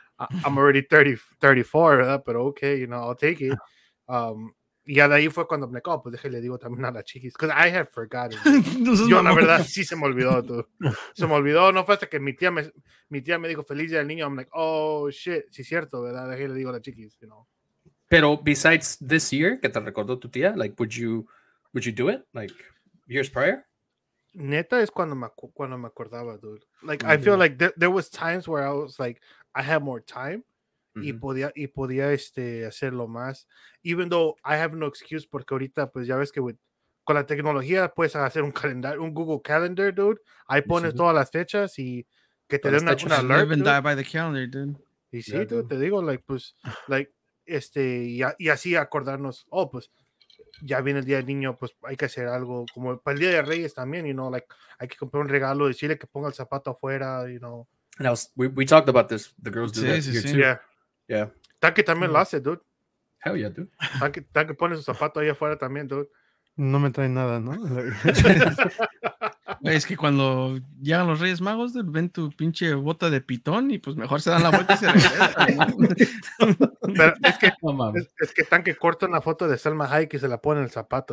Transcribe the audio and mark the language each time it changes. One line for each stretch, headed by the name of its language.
English: I'm already 34,
Spanish: pero
English: okay, you know, I'll take it.
Spanish: Y ahí fue cuando me pues déjale digo también a la chiquis,
English: because I had forgotten.
Spanish: Yo, la verdad, sí se me olvidó, tú. Se me olvidó, no fue hasta que mi tía me dijo, feliz día del niño.
English: I'm like, oh, shit,
Spanish: sí es cierto, ¿verdad? Déjale digo a la chiquis,
English: you know. Pero besides this year,
Spanish: que te recordó tu tía,
English: like, would you do it? Like, years prior?
Spanish: Neta es cuando me acordaba, dude.
English: Like, mm-hmm. I feel like there was times where I was like, I had more time.
Spanish: Mm-hmm. Y podía hacerlo más.
English: Even though I have no excuse,
Spanish: porque ahorita, pues ya ves que con la tecnología puedes hacer un calendario, un Google Calendar, dude. Ahí pones todas las fechas y que te den una alert.
English: Live and die by the calendar, dude.
Spanish: Y sí, yeah, dude, te digo, like, pues, like, y así acordarnos, oh, pues, ya viene el Día del Niño, pues hay que hacer algo como para el Día de Reyes también,
English: you know,
Spanish: like, hay que comprar un regalo, decirle que ponga el zapato afuera, you know.
English: And we talked about this, the girls do that here too.
Spanish: Yeah. Tanque también lo hace, dude.
English: Hell yeah, dude.
Spanish: Tanque pone su zapato ahí afuera también, dude. No me trae nada, ¿no? Es que cuando llegan los Reyes Magos, dude, ven tu pinche bota de pitón y pues mejor se dan la vuelta y se regresan. Pero es que Tanque corta una foto de Salma Hayek y se la pone en el zapato.